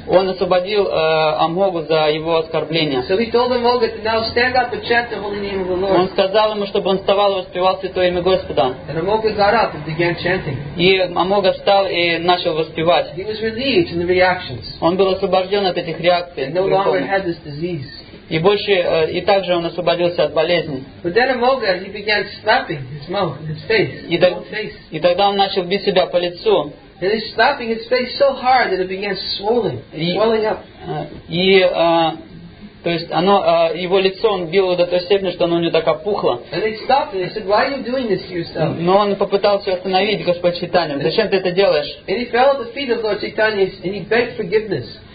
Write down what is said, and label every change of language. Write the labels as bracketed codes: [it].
[ru] Он освободил Амогу за его оскорбление. Он сказал ему, чтобы он вставал и воспевал святое имя Господа. [en] And Amoga got up and began chanting. [ru] И Амога встал и начал воспевать. [en] He was relieved in the reactions. [ru] Он был освобожден от этих реакций. [en] And no longer had this disease. [ru] И больше, и также он освободился от болезни. [en] But then Amoga, he began slapping his mouth, his face, his face. [ru] И тогда он начал бить себя по лицу. [en] And he's slapping his face so hard that it began swelling up. [ru] То есть оно, его лицо он бил до той степени, что оно у него так опухло. [en] Said, [ru] но он попытался остановить Господь Чайтанью. Зачем ты это делаешь? [en] And he fell at the feet of Lord Chaitanya and he begged forgiveness.